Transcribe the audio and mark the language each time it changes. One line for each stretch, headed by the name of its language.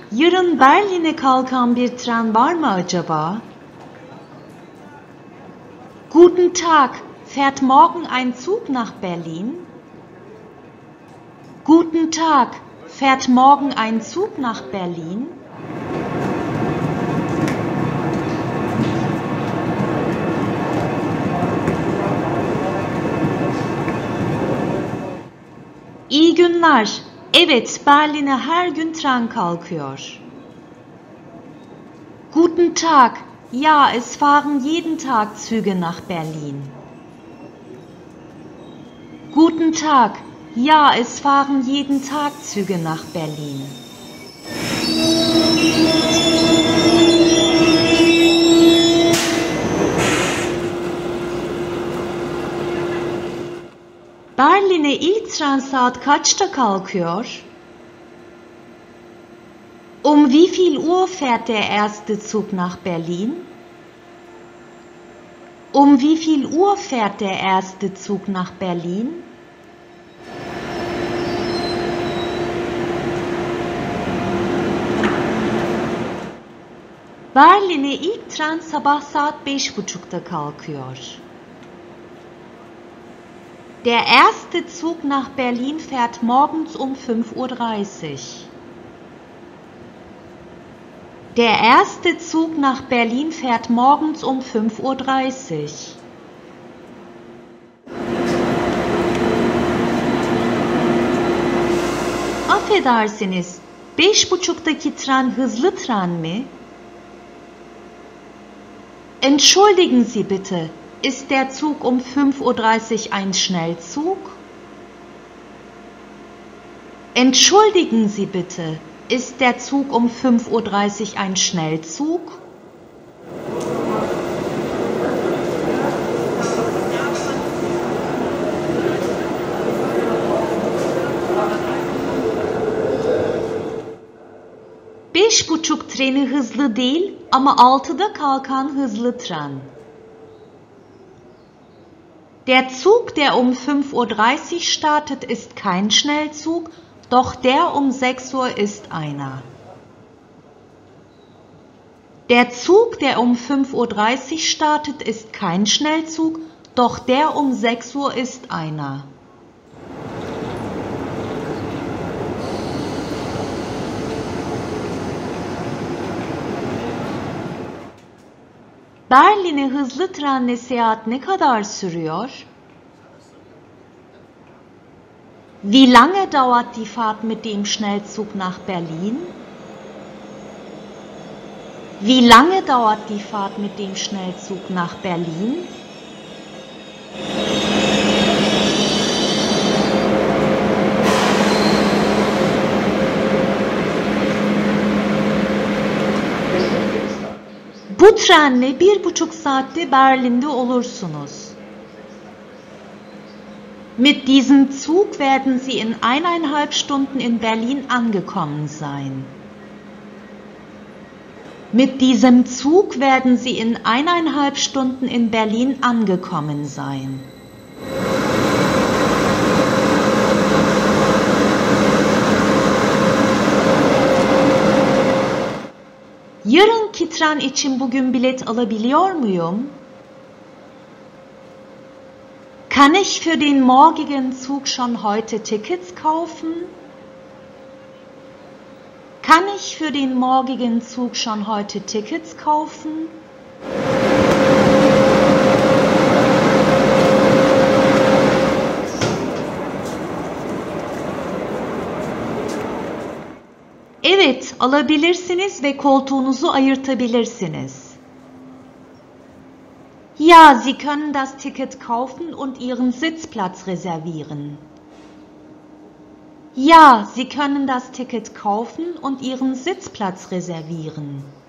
Turkish: Yarın Berlin'e kalkan bir tren var mı acaba?
German: Guten Tag. Fährt morgen ein Zug nach Berlin? Guten Tag. Fährt morgen ein Zug nach Berlin?
Turkish: İyi günler. Evet, Berlin'e her gün tren kalkıyor.
German: Guten Tag. Ja, es fahren jeden Tag Züge nach Berlin. Guten Tag. Ja, es fahren jeden Tag Züge nach Berlin.
Turkish: Berlin'e ilk tren saat kaçta kalkıyor?
German: Wie viel Uhr fährt der erste Zug nach Berlin? Wie viel Uhr fährt der erste Zug nach Berlin?
Turkish: Berlin'e ilk tren sabah saat 5.30'da kalkıyor.
German: Der erste Zug nach Berlin fährt morgens um 5.30 Uhr. Der erste Zug nach Berlin fährt morgens um 5.30 Uhr.
Turkish: Affedersiniz, 5.30'daki tren hızlı tren mi?
German: Entschuldigen Sie bitte, ist der Zug um 5.30 Uhr ein Schnellzug? Entschuldigen Sie bitte, ist der Zug um 5.30 Uhr ein Schnellzug?
Turkish: Beş buçuk treni hızlı değil ama 6'da kalkan hızlı tren.
German: Der Zug, der um 5.30 Uhr startet, ist kein Schnellzug, doch der um 6 Uhr ist einer. Der Zug, der um 5.30 Uhr startet, ist kein Schnellzug, doch der um 6 Uhr ist einer.
Turkish: Berlin'e hızlı trenle seyahat ne kadar sürüyor?
German: Wie lange dauert die Fahrt mit dem Schnellzug nach Berlin? Wie lange dauert die Fahrt mit dem Schnellzug nach Berlin?
Turkish: Bu trenle 1,5 saatte Berlin'de olursunuz.
German: Mit diesem Zug werden Sie in 1,5 Stunden in Berlin angekommen sein. Mit diesem Zug werden Sie in 1,5 Stunden in Berlin angekommen sein.
Turkish: Yarınki tren için bugün bilet alabiliyor muyum?
German: Kann ich für den morgigen Zug schon heute Tickets kaufen? Kann ich für den morgigen Zug schon heute Tickets kaufen?
Turkish: Evet, alabilirsiniz ve koltuğunuzu ayırtabilirsiniz.
German: Ja, Sie können das Ticket kaufen und Ihren Sitzplatz reservieren. Ja, Sie können das Ticket kaufen und Ihren Sitzplatz reservieren.